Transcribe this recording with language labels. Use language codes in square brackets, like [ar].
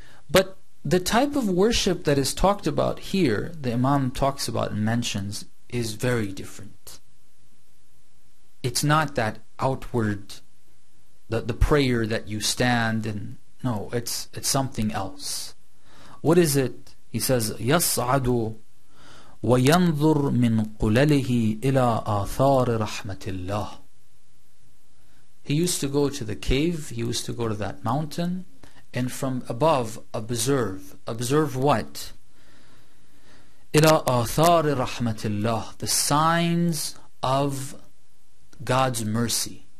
[en] But the type of worship that is talked about here, the Imam talks about and mentions, is very different. It's not that outward, the prayer that you stand and, no, it's something else. What is it? He says, [ar] يَصْعَدُ وَيَنْظُرْ مِنْ قُلَلِهِ إِلَىٰ آثَارِ رَحْمَةِ اللَّهِ. [en] He used to go to the cave, he used to go to that mountain, and from above observe what? [ar] إِلَىٰ آثَارِ رَحْمَةِ اللَّهِ, [en] the signs of God's mercy.